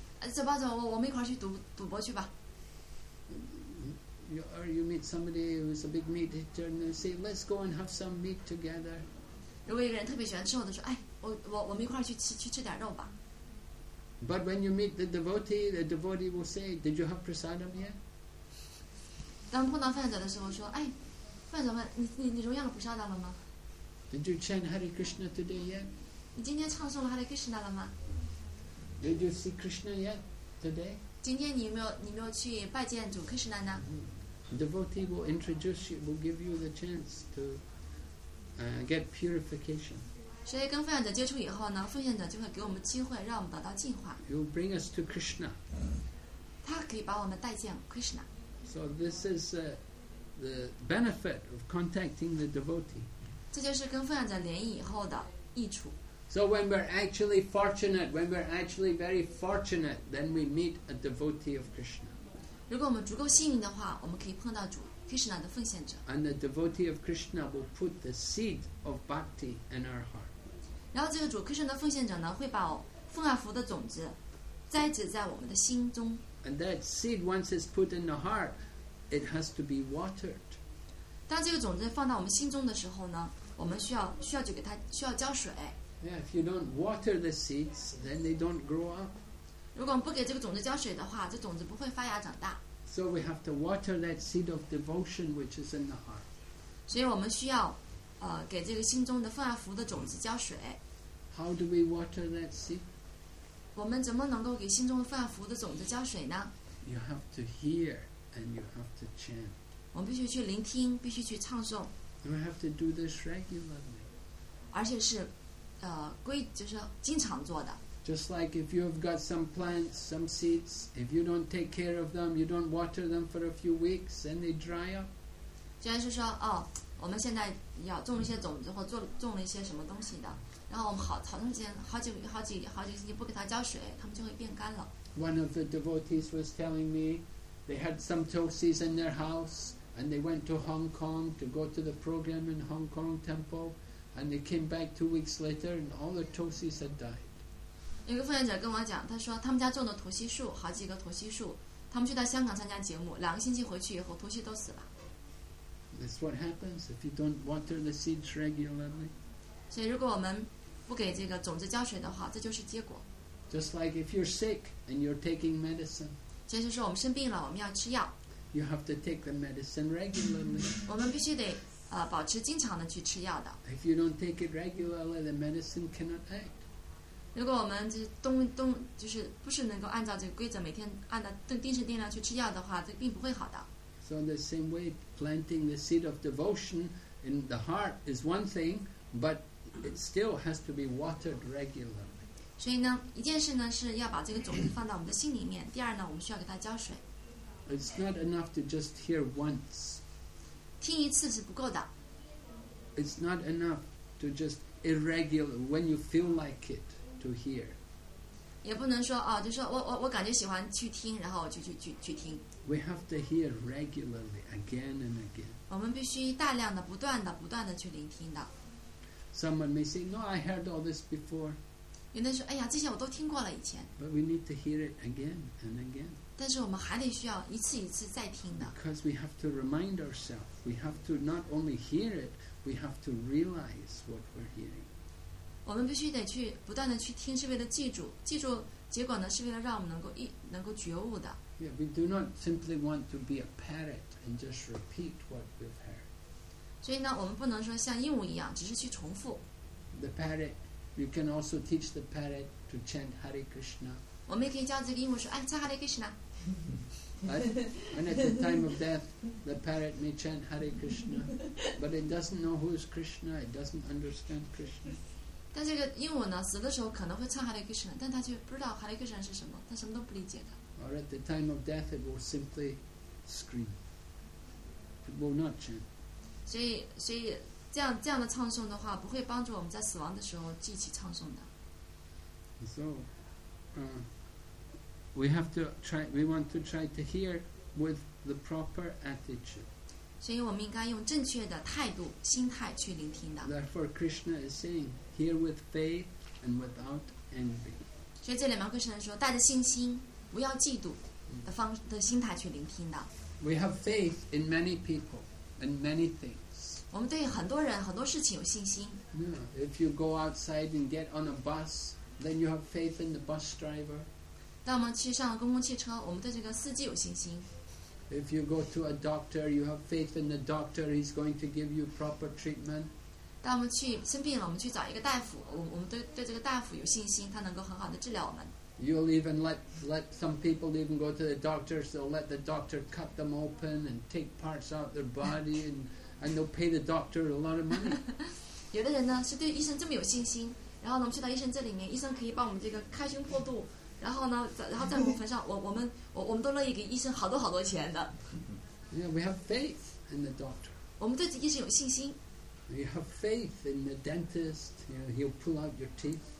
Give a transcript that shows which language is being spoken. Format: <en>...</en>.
<zh>哎，走吧走，我们一块儿去赌博去吧。</zh> <en>Or you meet somebody who's a big meat eater, and they say, "Let's go and have some meat together."</en> <zh>如果一个人特别喜欢吃肉的时候，哎，我们一块儿去吃点肉吧。</zh> <en>But when you meet the devotee will say, "Did you have prasadam yet?"</en> <zh>当碰到犯者的时候，说，哎，犯者们，你荣耀了prasadam了吗</zh> <en>？Did you chant Hare Krishna today yet?</en> <zh>你今天唱诵了 Hare Krishna 了吗</zh> <en>？Did you see Krishna yet today?</en> <zh>今天你没有去拜见主 Krishna 呢</zh> <en>？Devotee will introduce you, will give you the chance to. Get purification.</en> <zh>所以跟奉献者接触以后呢，奉献者就会给我们机会，让我们得到净化。</zh> <en>You bring us to Krishna.</en> <zh>他可以把我们带见 Krishna.</zh> <en>So this is the benefit of contacting the devotee.</en> <zh>这就是跟奉献者联谊以后的益处。</zh> <en>So when we're actually fortunate, when we're actually very fortunate, then we meet a devotee of Krishna.</en> <zh>如果我们足够幸运的话，我们可以碰到主。</zh> <en>And the devotee of Krishna will put the seed of bhakti in our heart.</en> <zh>然后这个主 Krishna 的奉献者呢，会把奉爱服的种子栽植在我们的心中。</zh> <en>And that seed, once it's put in the heart, it has to be watered.</en> <zh>当这个种子放到我们心中的时候呢，我们需要就给它需要浇水。</zh> <en>Yeah, if you don't water the seeds, then they don't grow up.</en> <zh>如果我们不给这个种子浇水的话，这种子不会发芽长大。</zh> <en>So we have to water that seed of devotion which is in the heart.</en> <zh>所以我们需要，给这个心中的奉爱服务的种子浇水。</zh> <en>How do we water that seed?</en> <zh>我们怎么能够给心中的奉爱服务的种子浇水呢？</zh> <en>You have to hear and you have to chant.</en> <zh>我们必须去聆听，必须去唱诵。</zh> <en>And we have to do this regularly.</en> <zh>而且是，就是经常做的。</zh> <en>Just like if you have got some plants, some seeds, if you don't take care of them, you don't water them for a few weeks, then they dry up.</en> <zh>就像是说，哦，我们现在要种一些种子或种了一些什么东西的，然后我们好长时间，好几星期不给它浇水，它们就会变干了。</zh> <en>One of the devotees was telling me they had some tulsis in their house, and they went to Hong Kong to go to the program in Hong Kong temple, and they came back 2 weeks later, and all the tulsis had died.</en> <zh>有个奉献者跟我讲，他说他们家种的土西树，好几个土西树，他们去到香港参加节目，两个星期回去以后，土西都死了。</zh> <en>That's what happens if you don't water the seeds regularly.</en> <zh>所以如果我们不给这个种子浇水的话，这就是结果。</zh> <en>Just like if you're sick and you're taking medicine.</en> <zh>这就是我们生病了，我们要吃药。</zh> <en>You have to take the medicine regularly.</en> <zh>我们必须得保持经常的去吃药的。</zh> <en>If you don't take it regularly, the medicine cannot act.</en> <zh>如果我们就是不是能够按照这个规则每天按照定时定量去吃药的话，这并不会好的。</zh> <en>So in the same way, planting the seed of devotion in the heart is one thing, but it still has to be watered regularly.</en> <zh>所以呢，一件事呢是要把这个种子放到我们的心里面。第二呢，我们需要给它浇水。</zh> <en>It's not enough to just hear once.</en> <zh>听一次是不够的。</zh> <en>It's not enough to just irregular when you feel like it. To hear.</en> <zh>也不能说啊，就说我感觉喜欢去听，然后我去听。</zh> <en>We have to hear regularly, again and again.</en> <zh>我们必须大量的、不断的去聆听的。</zh> <en>Someone may say, "No, I heard all this before."</en> <zh>有的人说，哎呀，这些我都听过了以前。</zh> <en>But we need to hear it again and again.</en> <zh>但是我们还得需要一次一次再听的。</zh> <en>Because we have to remind ourselves, we have to not only hear it, we have to realize what we're hearing.</en> <zh>我们必须得去不断的去听，是为了记住结果呢，是为了让我们能够觉悟的。</zh> <en>Yeah, we do not simply want to be a parrot and just repeat what we've heard.</en> <zh>所以呢，我们不能说像鹦鹉一样，只是去重复。</zh> <en>The parrot, you can also teach the parrot to chant Hare Krishna.</en> <zh>我们也可以教这个鹦鹉说，哎，唱 Hare Krishna.</zh> <en>And at the time of death, the parrot may chant Hare Krishna, but it doesn't know who is Krishna. It doesn't understand Krishna.</en> <zh>但这个鹦鹉呢，死的时候可能会唱 Hare Krishna， 但他却不知道 Hare Krishna 是什么，他什么都不理解的。</zh> <en>Or at the time of death, it will simply scream. It will not chant.</en> <zh>所以这样的唱诵的话，不会帮助我们在死亡的时候记起唱诵的。</zh> <en>So, we want to try to hear with the proper attitude.</en> <zh>所以我们应该用正确的态度、心态去聆听的。</zh> <en>Therefore, Krishna is saying, "Hear with faith and without envy."</en> <zh>所以这里面Krishna说，带着信心，不要嫉妒的方的心态去聆听的。</zh> <en>We have faith in many people and many things.</en> <zh>我们对很多人、很多事情有信心。</zh> <en>Yeah, if you go outside and get on a bus, then you have faith in the bus driver.</en> <zh>当我们去上公共汽车，我们对这个司机有信心。</zh> <en>If you go to a doctor, you have faith in the doctor, he's going to give you proper treatment.</en> <zh>当我们去生病了，我们去找一个大夫，我们对这个大夫有信心，他能够很好的治疗我们。</zh> <en>You'll even let some people even go to the doctor, so let the doctor cut them open and take parts out of their body, and they'll pay the doctor a lot of money.</en> <zh>有的人呢，是对医生这么有信心，然后呢，我们去到医生这里面，医生可以帮我们这个开胸破肚。然后呢，然后在部分上，我们都乐意给医生好多好多钱的。</zh> <en>Yeah, we have faith in the doctor.</en> <zh>我们对医生有信心。</zh> <en>We have faith in the dentist. You know, he'll pull out your teeth.</en>